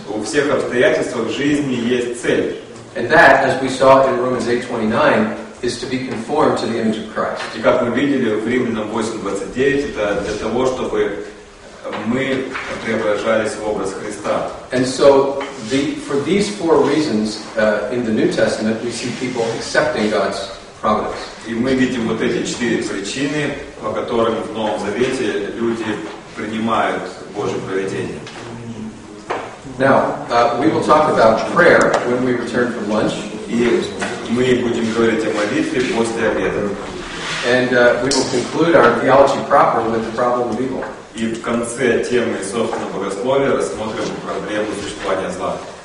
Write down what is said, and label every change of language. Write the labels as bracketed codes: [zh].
[ru] У всех обстоятельствах жизни есть цель. [en] And that, as we saw in Romans 8:29. Is to be conformed to the image of Christ. [ru] И как мы видели в Римлянам 8:29, это для того, чтобы мы преображались в образ Христа. [en] And so, for these four reasons, in the New Testament, we see people accepting God's providence. [ru] И мы видим вот эти четыре причины, по которым в Новом Завете люди принимают Божье провидение. [en] Now, we will talk about prayer when we return from lunch. [ru] Мы будем говорить о молитве после обеда. [en] And we will conclude our theology proper with the problem of evil. [ru] И в конце темы собственного богословия рассмотрим проблему существования зла.